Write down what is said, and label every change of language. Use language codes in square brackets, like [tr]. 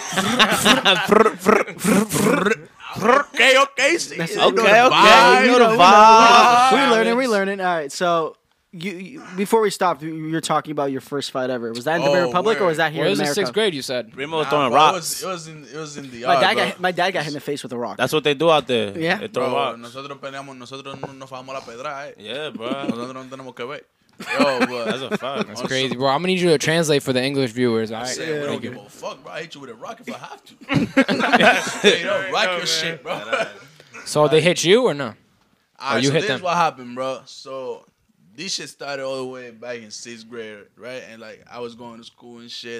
[en] Okay, okay, see. Okay, okay. You know the vibes. We learning, we learning. All right, so... You before we stopped, you're talking about your first fight ever. Was that in Dominican Republic or was that here in America? It was in sixth grade, you said. Primo was throwing rocks. It was in the yard. My dad got hit in the face with a rock. That's what they do out there. Yeah. They throw rocks. [es] Nosotros peleamos, nosotros no nos vamos a la pedra, [en] Yeah, bro. [es] Nosotros no tenemos que ver. Yo, bro. That's [en] a fact. That's crazy, bro. I'm going to need you to translate for the English viewers. All right. Yeah, we don't give a fuck, bro. I hit you with a rock if I have to. Hey, don't rock your shit, bro. So they hit you or no? Or you hit them? This is what happened, bro. So... This shit started all the way back in sixth grade, right? And, like, I was going to school and shit.